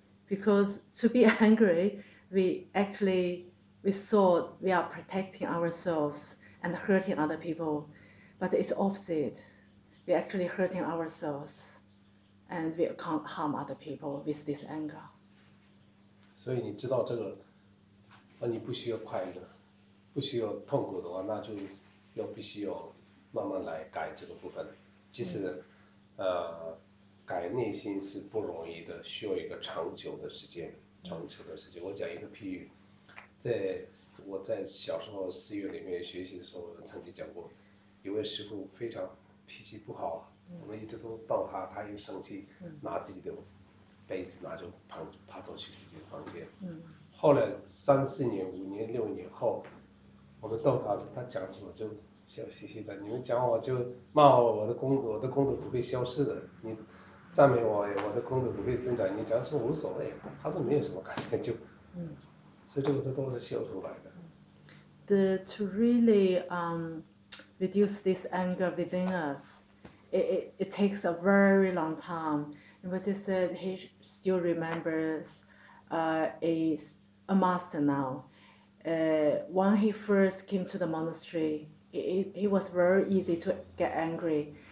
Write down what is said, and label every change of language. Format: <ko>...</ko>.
<en>Because to be angry, we thought we are protecting ourselves and hurting other people. But it's opposite. We're actually hurting ourselves and we can't harm other people with this anger.</en> <zh>所以你知道这个，那你不需要快乐，不需要痛苦的话，那就要必须要慢慢来改这个部分。其实，改内心是不容易的，需要一个长久的时间，长久的时间。我讲一个譬喻，在我在小时候寺院里面学习的时候，我曾经讲过，有位师父非常脾气不好，我们一直都逗他，他又生气，拿自己的被子拿着爬走去自己的房间。后来三四年、五年、六年后，我们逗他，他讲什么就笑嘻嘻的。你们讲我就骂我，我的功德不会消失的。你赞美我，我的功德不会增长。你讲什么无所谓，他说没有什么感觉就。所以这个都是修出来的。</zh> <en>To really reduce this anger within us, it takes a very long time. Rinpoche said he still remembers a master now. When he first came to the monastery, it was very easy to get angry.</en>